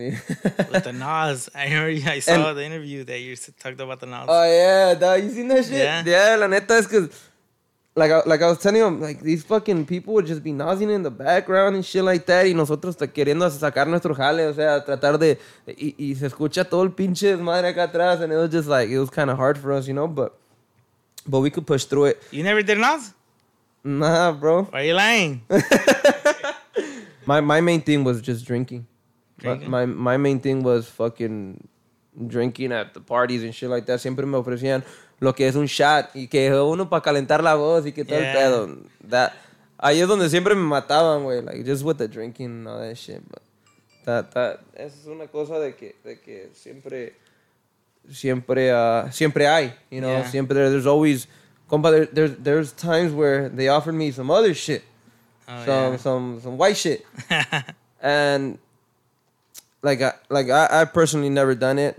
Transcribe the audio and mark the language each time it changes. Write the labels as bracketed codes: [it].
[en] the Nas. I saw the interview that you talked about the Nas. Oh, yeah. You seen that shit? Yeah, [es] la neta es que... [en] Like I was telling him, like, these fucking people would just be nosing in the background and shit like that. [es] Y nosotros queriendo sacar nuestro jale, o sea, tratar de... Y se escucha todo el pinche desmadre acá atrás. [en] And it was just like, it was kind of hard for us, you know? But we could push through it. You never did nos? Nah, bro. Why are you lying? My main thing was just drinking. My main thing was fucking drinking at the parties and shit like that. [es] Siempre me ofrecían... lo que es un shot y que uno para calentar la voz y que todo el pedo. Ahí es donde siempre me mataban, güey. [en] Like, just with the drinking and all that shit. But [es] esa es una cosa de que siempre hay, [en] you know? Yeah. [es] Siempre, [en] there's always... Compa, there's times where they offered me some other shit. Some white shit. And, I've personally never done it.